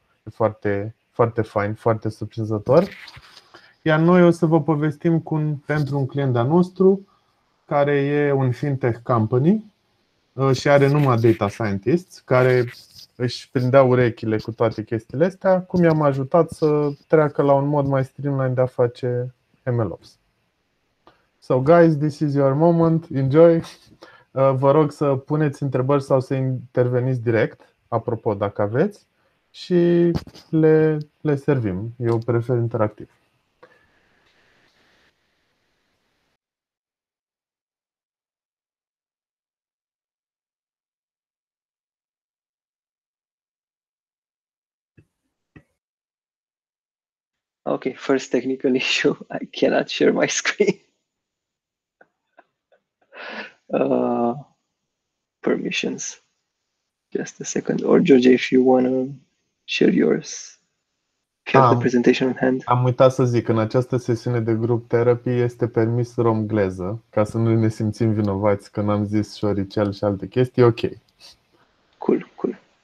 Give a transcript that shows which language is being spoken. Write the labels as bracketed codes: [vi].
[ro] E foarte, foarte fain, foarte surprinzător. Iar noi o să vă povestim pentru un client de-a nostru, care e un [en] fintech company [ro] și are numai data scientists, care își prindea urechile cu toate chestiile astea, cum i-am ajutat să treacă la un mod mai streamlined de a face MLOps. [en] So guys, this is your moment. Enjoy. [ro] Vă rog să puneți întrebări sau să interveniți direct, apropo, dacă aveți, și le servim. Eu prefer interactiv. [en] Okay, first technical issue. I cannot share my screen. Permissions. Just a second. Or George, if you want to share yours. If you have the presentation in hand. [ro] Am uitat să zic, în această sesiune de [en] grup therapy [ro] este permis romgleză, ca să nu ne simțim vinovați că n-am zis șoricel și alte chestii. [en] Ok. Cool, cool.